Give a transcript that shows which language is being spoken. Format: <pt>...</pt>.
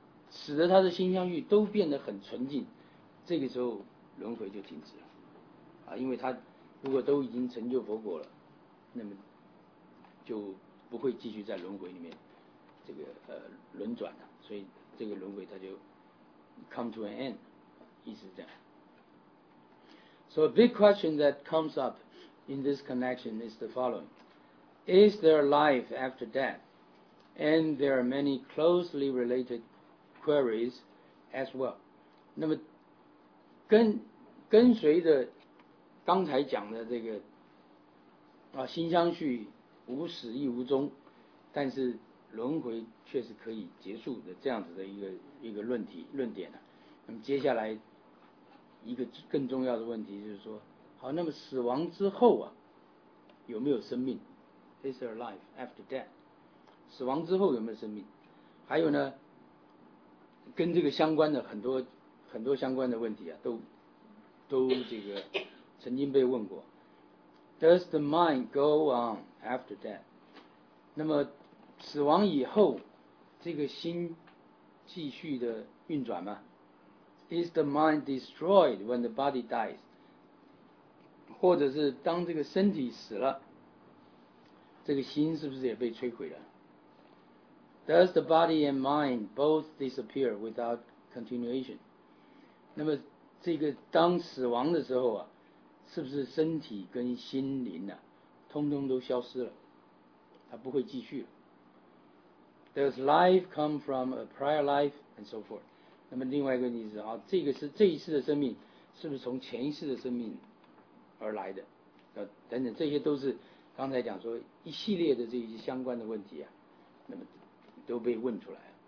<zh>使得他的心相续都变得很纯净，这个时候轮回就停止了，啊，因为他如果都已经成就佛果了，那么就不会继续在轮回里面这个轮转了，所以这个轮回他就</zh> <en>come to an end，</en> <zh>意思是这样。</zh> <en>So a big question that comes up in this connection is the following: Is there life after death? And there are many closely related queries as well.</en> <zh>那么跟随着刚才讲的这个啊，心相续无始亦无终，但是轮回却是可以结束的这样子的一个论题论点了、那么接下来一个更重要的问题就是说，好，那么死亡之后啊，有没有生命？</zh> <en>Is there life after death?</en> <zh>死亡之后有没有生命？还有呢，跟这个相关的很多很多相关的问题啊，都这个曾经被问过。</zh> <en>Does the mind go on after death?</en> <zh>那么死亡以后，这个心继续的运转吗？</zh> <en>Is the mind destroyed when the body dies?</en> <zh>或者是当这个身体死了，这个心是不是也被摧毁了？</zh> <en>Does the body and mind both disappear without continuation?</en> <zh>那么这个当死亡的时候啊，是不是身体跟心灵啊，通通都消失了，它不会继续了？</zh> <en>Does life come from a prior life and so forth?</en> <zh>那么另外一个例子啊，这个是这一世的生命，是不是从前一世的生命而来的？等等，这些都是刚才讲说一系列的这些相关的问题啊，那么都被问出来了。</zh>